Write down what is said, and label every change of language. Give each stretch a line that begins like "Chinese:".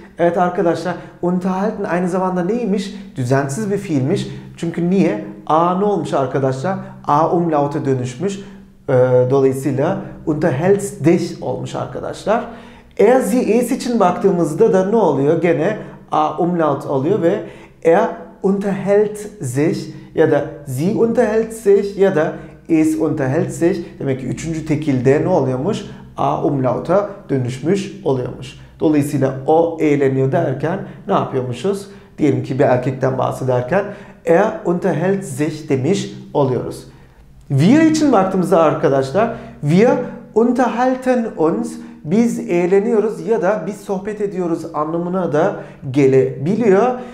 Turkish: Evet arkadaşlar, unterhalten aynı zamanda neymiş? Düzensiz bir fiilmiş. Çünkü niye? A ne olmuş arkadaşlar? A umlaut'a dönüşmüş. Dolayısıyla
German: unterhältst dich
Turkish: olmuş arkadaşlar. Er, sie, es için baktığımızda da ne oluyor? Gene A umlaut alıyor ve
German: er unterhält sich
Turkish: ya da
German: sie unterhält sich ya da es unterhält sich.
Turkish: Demek ki üçüncü tekilde ne oluyormuş? A umlaut'a dönüşmüş oluyormuş. Dolayısıyla o eğleniyor derken ne yapıyormuşuz? Diyelim ki bir erkekten bahsederken
German: er unterhält sich
Turkish: demiş oluyoruz. Wir için baktığımızda arkadaşlar
German: wir unterhalten uns,
Turkish: biz eğleniyoruz ya da biz sohbet ediyoruz anlamına da gelebiliyor.